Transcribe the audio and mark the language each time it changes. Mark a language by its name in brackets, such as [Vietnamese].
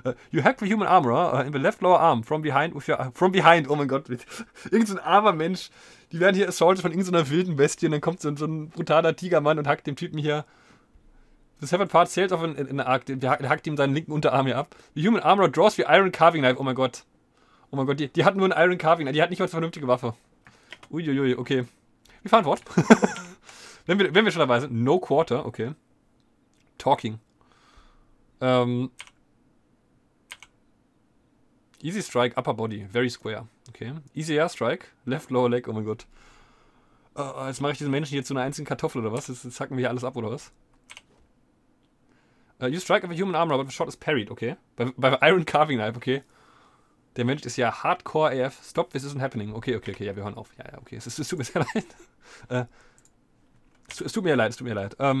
[English] You hack the human armor in the left lower arm from behind. From behind. [German] Oh mein Gott. Irgend so ein armer Mensch. Die werden hier assaulted von irgendeiner wilden Bestie und dann kommt so ein brutaler Tigermann und hackt dem Typen hier. [English] The severed part sails off in the arc. [German] Der hackt ihm seinen linken Unterarm hier ab. [English] The human armor draws the iron carving knife. [German] Oh mein Gott. Oh mein Gott. Die hat nur ein iron carving knife. Die hat nicht mal eine vernünftige Waffe. Uiuiui. Okay. Wir fahren fort. Wenn wir schon dabei sind, [English] no quarter, [German] okay. Talking. [English] Easy strike, upper body, very square, okay. Easy air strike, left lower leg, [German] oh mein Gott. Jetzt mache ich diesen Menschen hier zu einer einzigen Kartoffel oder was? Jetzt hacken wir hier alles ab oder was? [English] You strike with a human armor, but the shot is parried, okay. [German] Bei Iron Carving Knife, okay. Der Mensch ist ja hardcore AF. [English] Stop, this isn't happening. [German] Okay, ja, wir hören auf. Ja, okay, es tut mir sehr leid. Es tut mir leid.